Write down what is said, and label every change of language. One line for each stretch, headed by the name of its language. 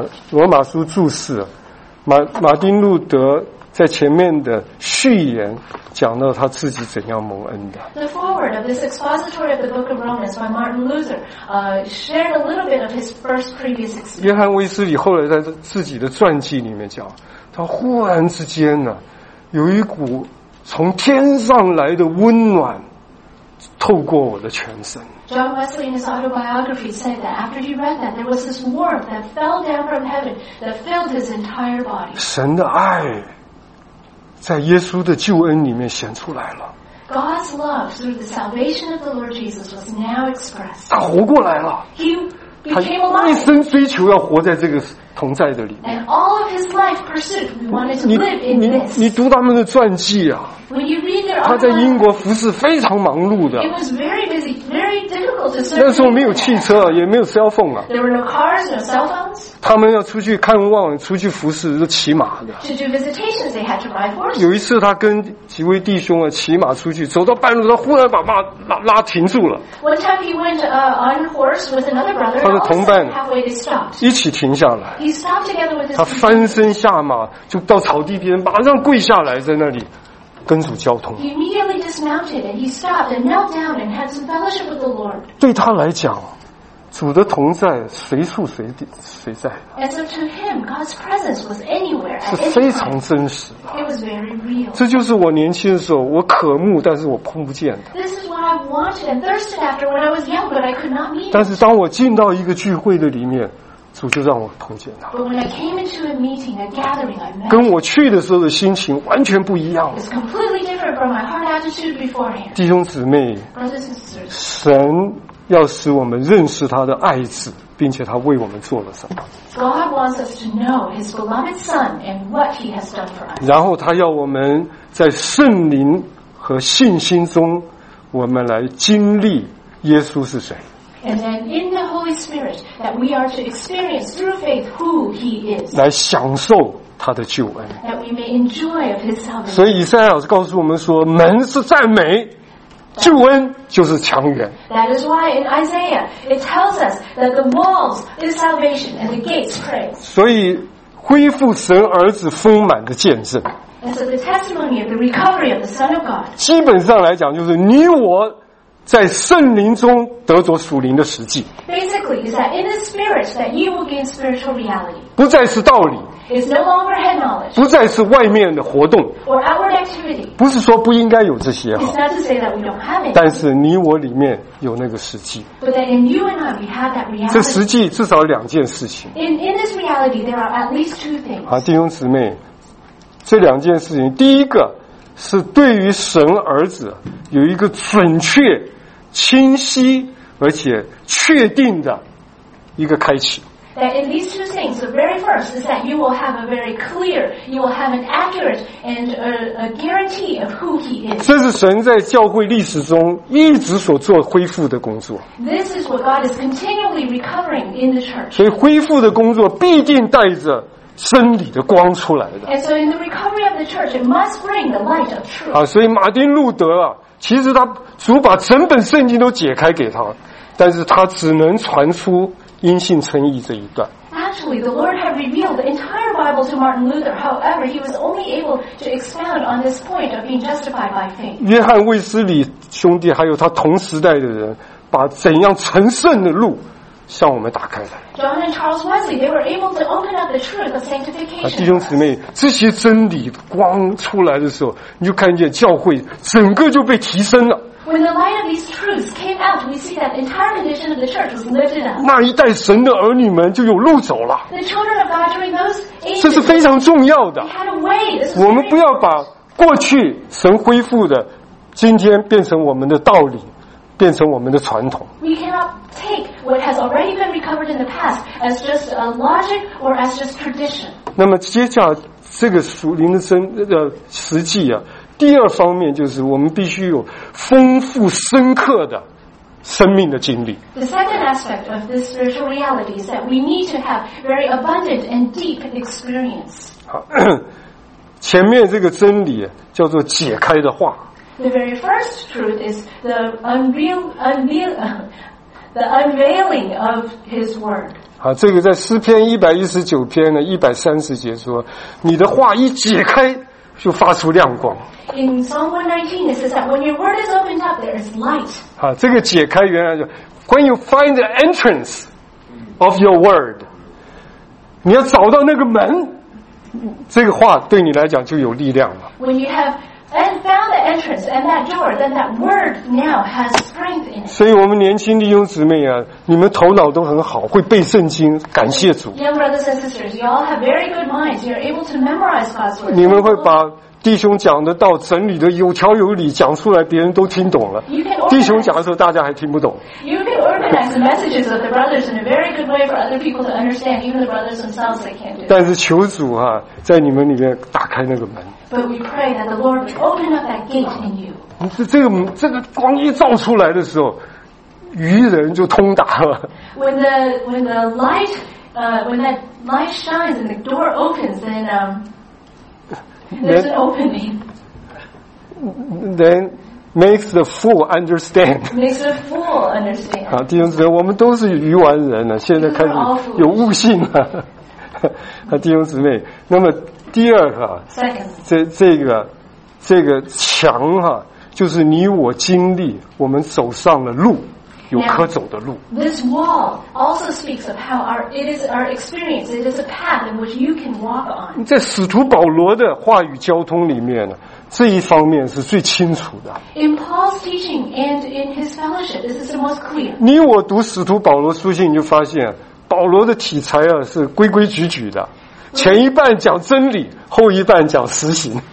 Chinese: 罗马书注释 马丁路德在前面的序言讲到他自己怎样蒙恩的。
English: The foreword of this expository of the Book of Romans by Martin Luther shared a little bit of his first previous experience.
Chinese: 约翰·威斯里后来在自己的传记里面讲，他忽然之间呢，有一股从天上来的温暖透过我的全身。
English: John Wesley in his autobiography said that after he read that, there was this warmth that fell down from heaven that filled his entire body.
Chinese: 神的爱。在耶稣的救恩里面显出来了。
English: God's love through the salvation of the Lord Jesus was now expressed.
Chinese: 他活过来了。
English: He became alive.
Chinese: 他一生追求要活在这个同在的里面。
English: And all of his life pursued, we wanted to live in this.
Chinese: 你读他们的传记啊。
English: When you read their own.
Chinese: 他在英国服侍非常忙碌的。
English: It was very busy, very difficult to serve.
Chinese: 那时候没有汽车，也没有 cell phone 啊。
English: There were no cars, no cell phones.
Chinese: 他们要出去看望，出去服侍是骑马的。
English: To do visitations, they had to ride horses.
Chinese: 有一次，他跟几位弟兄啊骑马出去，走到半路，他忽然把马拉停住了。
English: One time he went on horse with another brother.
Chinese: 他的同伴
English: halfway they stopped.
Chinese: 一起停下来。
English: He stopped together with his.
Chinese: 他翻身下马，就到草地边，马上跪下来在那里跟主交通。
English: He immediately dismounted and he stopped and knelt down and had some fellowship with the Lord.
Chinese: 对他来讲，主的同在随处随地随在。
English: And so to him, God's presence was anywhere.
Chinese: 是非常真实
English: 的。It was very real.
Chinese: 这就是我年轻的时候，我渴慕，但是我碰不见的。
English: This is what I wanted and thirsted after when I was young, but I could not meet.
Chinese: 但是当我进到一个聚会的里面。主就让我碰见他。
English: But when I came into a meeting, a gathering, I met.
Chinese: 跟我去的时候的心情完全不一样。
English: It's completely different from my heart attitude beforehand.
Chinese: 弟兄姊妹
English: ，Brothers and sisters,
Chinese: 神要使我们认识他的爱子，并且他为我们做了什么。
English: God wants us to know His beloved Son and what He has done for us.
Chinese: 然后他要我们在圣灵和信心中，我们来经历耶稣是谁。
English: And then in the Holy Spirit that we are to experience through faith who He is.
Chinese: 来享受他的救恩。
English: That we may enjoy of His salvation.
Chinese: 所以以赛亚告诉我们说，门是赞美，救恩就是强援。
English: That is why in Isaiah it tells us that the walls is salvation and the gates praise.
Chinese: 所以恢复神儿子丰满的见证。
English: And so the testimony of the recovery of the Son of God.
Chinese: 基本上来讲，就是你我。在圣灵中得着属灵的实际。
English: Basically, is that in the spirit that you will gain spiritual reality.
Chinese: 不再是道理。
English: It's no longer head knowledge.
Chinese: 不再是外面的活动。
English: Or outward activity.
Chinese: 不是说不应该有这些。
English: It's not to say that we don't have it.
Chinese: 但是你我里面有那个实际。
English: But that in you and I we have that reality.
Chinese: 这实际至少两件事情。
English: In this reality, there are at least two things.
Chinese: 好，弟兄姊妹，这两件事情，第一个是对于神儿子有一个准确。清晰而且确定的一个开启。
English: That in these two things, the very first is that you will have a very clear, you will have an accurate and a guarantee of who He is.
Chinese: 这是神在教会历史中一直所做恢复的工作。
English: This is what God is continually recovering in the church.
Chinese: 所以恢复的工作必定带着真理的光出来的。
English: And so in the recovery of the church, it must bring the light of truth.
Chinese: 啊，所以马丁路德啊。其实他主把整本圣经都解开给他，但是他只能传出因信称义这一段。
English: Actually, the Lord had revealed the entire Bible to Martin Luther. However, he was only able to expound on this point of being justified by faith.
Chinese: 约翰卫斯理兄弟还有他同时代的人，把怎样成圣的路向我们打开来。
English: John and Charles Wesley, they were able to open up the truth of sanctification.
Chinese: 弟兄姊妹，这些真理光出来的时候，你就看见教会整个就被提升了。
English: When the light of these truths came out, we see that entire condition of the church was lifted up.
Chinese: 那一代神的儿女们就有路走了。
English: The children of God during those ages.
Chinese: 这是非常重要的。
English: We had a way.
Chinese: 我们不要把过去神恢复的，今天变成我们的道理。变成我们的传统。
English: We cannot take what has already been recovered in the past as just a logic or as just tradition.
Chinese: 那么接下来这个属灵的真的实际啊，第二方面就是我们必须有丰富深刻的生命的经历。
English: The second aspect of this spiritual reality is that we need to have very abundant and deep experience.
Chinese: 好，前面这个真理叫做解开的话。
English: The very first truth is the unveiling of His word.
Chinese: 好，这个在诗篇119篇的130节说，你的话一解开，就发出亮光。
English: In Psalm 119, it says that when your word is opened up, there is light.
Chinese: 好，这个解开原来就
English: when you find the entrance of your word,
Chinese: 你要找到那个门，这个话对你来讲就有力量了。
English: When you have and found the entrance and that door, then that word now has strength in it.
Chinese: 所以我们年轻弟兄姊妹啊，你们头脑都很好，会背圣经，感谢主。
English: Young brothers and sisters, you all have very good minds. You're able to memorize God's word.
Chinese: 你们会把弟兄讲的道整理的有条有理，讲出来别人都听懂了。弟兄讲的时候，大家还听不懂。
English: You can organize the messages of the brothers in a very good way for other people to understand. Even the brothers themselves they can't do.
Chinese: 但是求主啊，在你们里面打开那个门。
English: But we pray that the Lord would open up that gate in you.
Chinese: 这个光一照出来的时候，愚人就通达了。
English: When that light shines and the door opens, then there's an opening. Then makes the fool understand. Makes the fool understand.
Chinese: 好，弟兄姊妹，我们都是愚顽人了，现在开始有悟性了。弟兄姊妹，那么第二个，
English: second.
Chinese: 这个这个墙哈、啊，就是你我经历，我们走上了路，有可走的路。
English: Now, this wall also speaks of how our it is our experience. It is a path in which you can walk on.
Chinese: 在使徒保罗的话语交通里面呢，这一方面是最清楚的。
English: In Paul's teaching and in his fellowship, this is the most clear.
Chinese: 你我读使徒保罗书信，你就发现保罗的体裁啊是规规矩矩的。前一半讲真理，后一半讲实行。